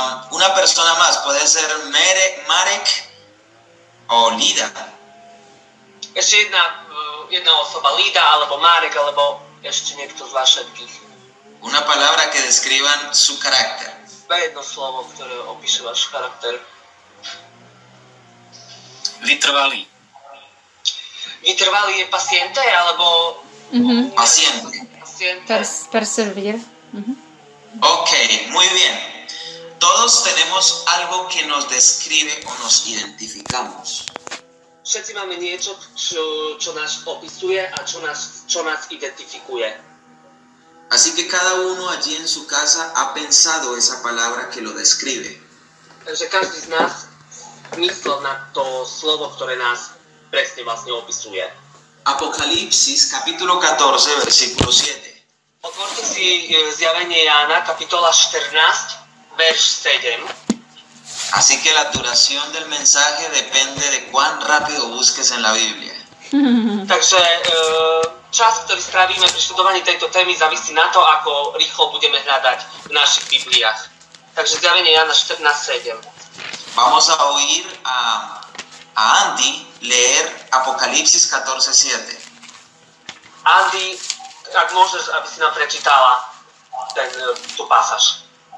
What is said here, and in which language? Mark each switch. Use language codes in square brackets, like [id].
[es] Una persona más, puede ser Mere, Marek o Lida. Es una [sk] osoba, Lida, alebo Marek, alebo ešte niekto z vás všetkých. [es] Una palabra que describan su carácter. [sk] Jedno slovo, ktoré opíše váš charakter. Vytrvalý. Vytrvalý je paciente, alebo... [es] Mm-hmm. Paciente. Persevier. Mm-hmm. Ok, muy bien. Todos tenemos algo que nos describe o nos identificamos. [sk] Všetci máme niečo, čo nás opisuje a čo nás identifikuje. [es] Así que cada uno allí en su casa ha pensado esa palabra que lo describe. [sk] Takže každý z nás myslel na to slovo, ktoré nás presne vlastne opisuje. [es] Apokalipsis, kapitulo 14, versículo 7. [sk] Otvorte si zjavenie Jána, kapitola 14, verš 7. [es] Así que la duración del mensaje depende de cuán rápido busques en la Biblia. [sk] Takže čas, ktorý strávime pri študovaní tejto témy, závisí na to, ako rýchlo budeme hľadať v našich Bibliách. Takže zjavenie Jána 14, 7. [es] Vamos a oír a Andy leer Apocalipsis 14:7. [sk] Andy, ak môžeš, aby si nám prečítala tú pasáž.